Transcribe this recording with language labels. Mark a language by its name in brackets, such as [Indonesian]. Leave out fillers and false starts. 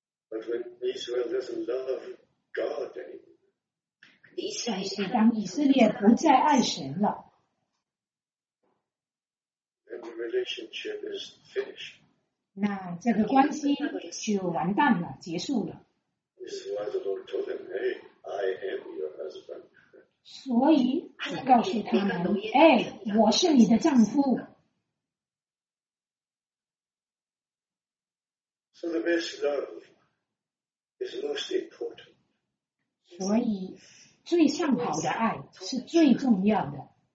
[English] But when Israel doesn't love God anymore, [Korean] 근데이스라엘 [Chinese] 是当以色列不再爱神了。 [English] Relationship is finished. [Chinese] 那这个关系就完蛋了，结束了。 [English] This is why the Lord told them, "Hey, I am your husband." [Chinese] 所以主告诉他们，哎，我是你的丈夫。 [English] So the best love is most important. [Chinese] 所以最上好的爱是最重要的。